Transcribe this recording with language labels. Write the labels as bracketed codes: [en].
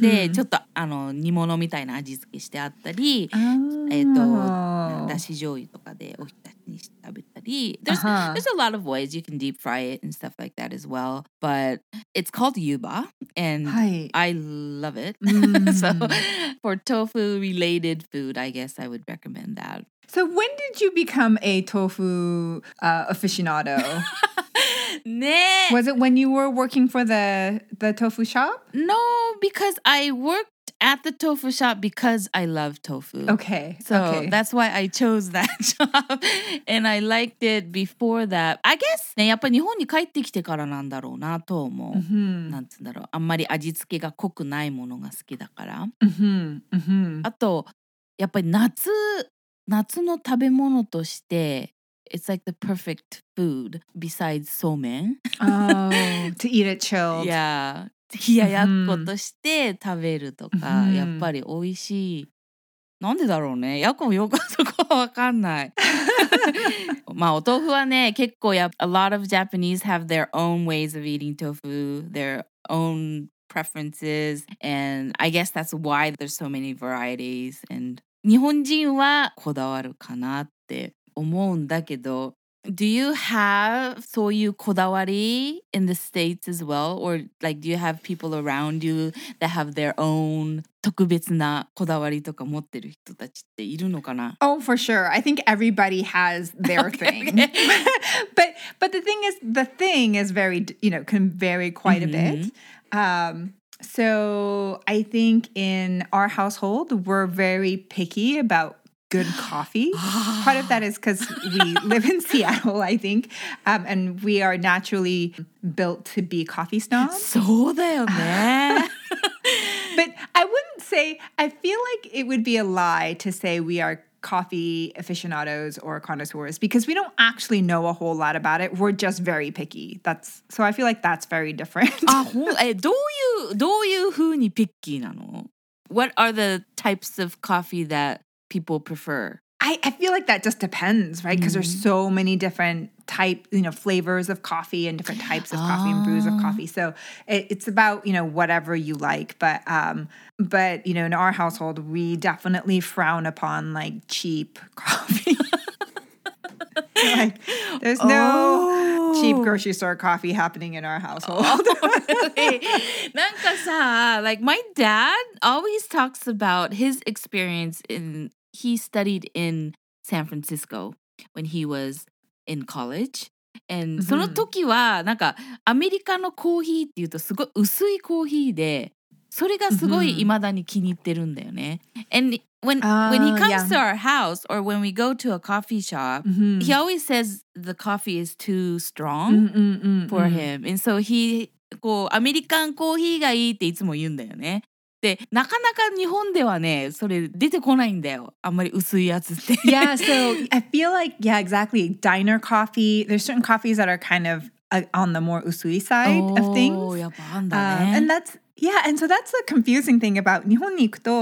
[ja] で、ちょっとあの煮物みたいな味付けしてあったり、 oh. だし醤油とかでおひたしにして食べたり。 [en] There's, uh-huh. there's a lot of ways you can deep fry it and stuff like that as well, but it's called yuba, and、 [ja] はい、 [en] I love it.、Mm. So for tofu-related food, I guess I would recommend that. So when did you become a tofu aficionado? [ja] ね、 [en] Was it when you were working for the tofu shop? No, because I worked at the tofu shop because I love tofu. Okay. So okay. that's why I chose that job. And I liked it before that. I guess, [ja] ね、やっぱ日本に帰ってきてからなんだろうなと思う。 Mm-hmm. なんつんだろう。あんまり味付けが濃くないものが好きだから。 Mm-hmm. Mm-hmm. あと、やっぱり夏の食べ物として、 [en] It's like the perfect food besides so men. Oh, to eat it chilled. [ja] Yeah. 冷ややっことして食べるとか、mm-hmm. やっぱり美味しい。なんでだろうね。やっこもよくそこはわかんない。まあお豆腐はね、結構やっぱ、 [en] a lot of Japanese have their own ways of eating tofu, their own preferences, and I guess that's why there's so many varieties. And [ja] 日本人はこだわるかなって。思うんだけど、 [en] do you have [ja] そういうこだわり [en] in the States as well? Or like, do you have people around you that have their own [ja] 特別なこだわりとか持ってる人たちっているのかな? [en] Oh, for sure. I think everybody has their okay, thing. Okay. but the thing is very, you know, can vary quite mm-hmm. a bit. So I think in our household, we're very picky about good coffee. Part of that is because we live in Seattle, I think. And we are naturally built to be coffee snobs. [ja] そうだよね。 [en] But I wouldn't say, I feel like it would be a lie to say we are coffee aficionados or connoisseurs because we don't actually know a whole lot about it. We're just very picky. That's, so I feel like that's very different. [ja] あ、ほん、え、どういうふうにピッキーなの? [en] What are the types of coffee that people prefer? I feel like that just depends, right? Because mm-hmm. there's so many different type, you know, flavors of coffee and different types of coffee and brews of coffee. So it's about, you know, whatever you like. But you know, in our household, we definitely frown upon like cheap coffee. Like, there's no cheap grocery store coffee happening in our household. Oh, really? [ja] なんかさ、 [en] like my dad always talks about his experience in He studied in San Francisco when he was in college. And mm-hmm. [ja] その時はなんかアメリカのコーヒーっていうとすごい薄いコーヒーで、それがすごい未だに気に入ってるんだよね。 Mm-hmm. [en] And when he comes to our house or when we go to a coffee shop, mm-hmm. he always says the coffee is too strong for him. And so he, [ja] こうアメリカンコーヒーがいいっていつも言うんだよね。で、なかなか日本ではね、それ出てこないんだよ。あんまり薄いやつって。 [en] Yeah, so I feel like, yeah, exactly. Diner coffee, there's certain coffees that are kind of on the more [ja] 薄い [en] side of things. [ja] Oh, やっぱあんだね。 [en] And that's, yeah, and so that's the confusing thing about [ja] 日本に行くと、